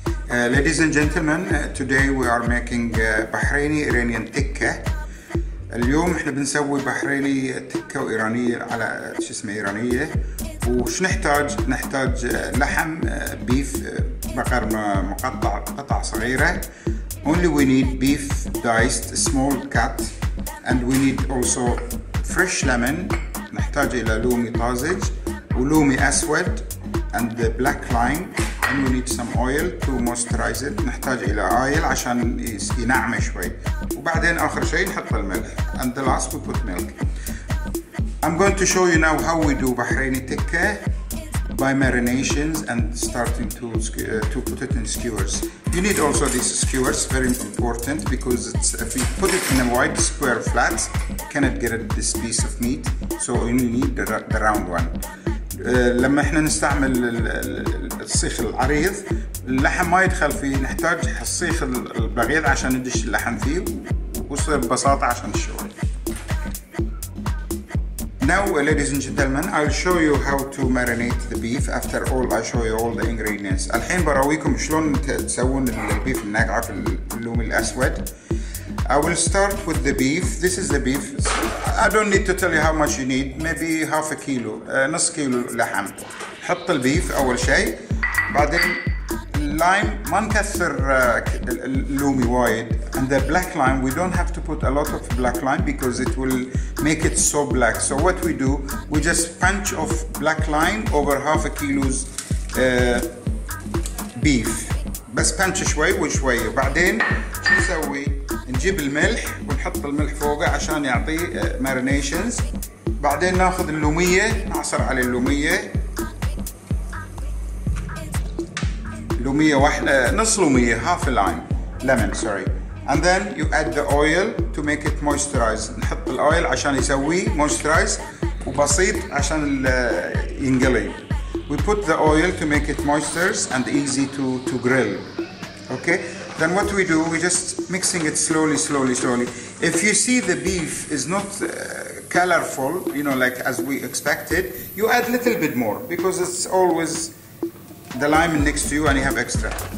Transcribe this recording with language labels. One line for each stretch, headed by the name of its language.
English: Ladies and gentlemen, today we are making Bahraini Iranian Tikka.
Arabic: اليوم احنا بنسوي بحريني تكة وإيرانية على شو اسمه إيرانية. وش نحتاج؟ نحتاج لحم بيف بقر مقطع قطع صغيرة.
English: Only we need beef diced small cut and we need also fresh lemon.
Arabic: نحتاج إلى لومي طازج ولومي أسود
English: and the black lime. And we need some oil to moisturize it.
Arabic: نحتاج إلى oil عشان ينعم شوي. وبعدين آخر شيء نحط الملح.
English: And the last we put milk. I'm going to show you now how we do Bahraini tikka by marinations and starting to put it in skewers. You need also these skewers, very important, because it's, if you put it in a wide square flat, you cannot get this piece of meat. So you need the round one.
Arabic: لما احنا نستعمل السيخ العريض اللحم ما يدخل فيه نحتاج السيخ البغيض عشان ندش اللحم فيه ويصير ببساطة عشان الشوي.
English: Now ladies and gentlemen I'll show you how to marinate the beef after all I show you all the ingredients.
Arabic: الحين براويكم شلون تسوون البيف الناقعة في اللوم الأسود.
English: I will start with the beef. This is the beef. I don't need to tell you how much you need. Maybe half a kilo,
Arabic: نص كيلو لحم. حط البيف أول شيء. بعدين lime ما نكثر اللومي وايد.
English: And the black lime, we don't have to put a lot of black lime because it will make it so black. So what we do, we just punch off black lime over half a kilo's beef.
Arabic: بس punch شوي وشوي. بعدين شو نسوي؟ نجيب الملح ونحط الملح فوقه عشان يعطي مارينيشنز. بعدين ناخذ اللوميه نعصر على اللوميه. لوميه واحده نص لوميه هاف لايم ليمون سوري.
English: And then you add the oil to make it moisturized.
Arabic: نحط الاويل عشان يسوي moisturize وبسيط عشان ينقلي.
English: We put the oil to make it moisturized and easy to grill. Okay. Then what we do, we just mixing it slowly, slowly, slowly. If you see the beef is not colorful, you know, like as we expected, you add a little bit more because it's always the lime next to you and you have extra.